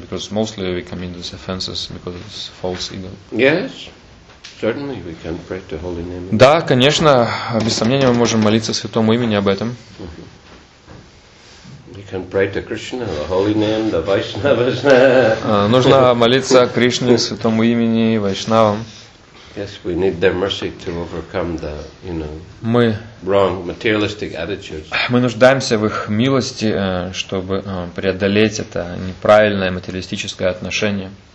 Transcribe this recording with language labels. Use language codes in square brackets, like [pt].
[en] Because mostly we commit these offenses because it's false ego. Yes, certainly we can pray to Holy Name. [ru] Да, конечно, без сомнения мы можем молиться Святому Имени об этом. [en] You can pray to Krishna, the holy name, the Vaishnavas. [ru] Нужно молиться Кришне, Святому Имени, Вайшнавам. [en] Yes, we need their mercy to overcome the, you know, [ru] мы, [en] wrong materialistic attitudes. [ru] Мы нуждаемся в их милости, чтобы преодолеть это неправильное материалистическое отношение.